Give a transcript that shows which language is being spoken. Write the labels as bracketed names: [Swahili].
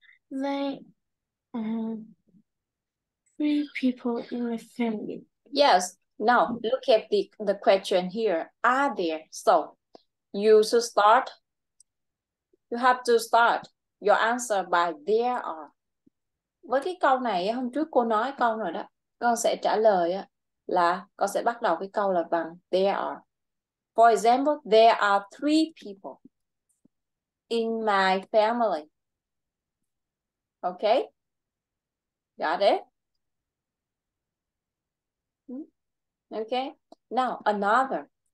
[English] they three people in my family. Yes. Now, look at the question here. Are there? So, you should start. You have to start your answer by there are. [Vietnamese] Với cái câu này hôm trước cô nói con rồi đó, con sẽ trả lời là con sẽ bắt đầu cái câu là bằng there are. [English] For example, there are three people in my family. Okay? Got Okay. Now, another.